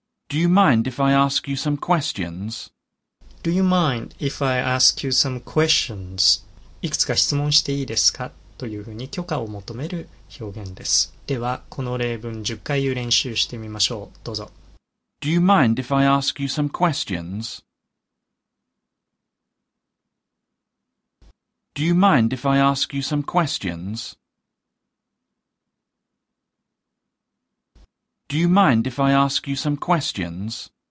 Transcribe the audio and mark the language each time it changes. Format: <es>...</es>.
<en>Do you mind if I ask you some questions? Do you mind if I ask you some questions?</en> <ja>いくつか質問していいですか？というふうに許可を求める表現です。では、この例文10回言う練習してみましょう。どうぞ。</ja> <en>Do you mind if I ask you some questions? Do you mind if I ask you some questions? Do you mind if I ask you some questions?</en>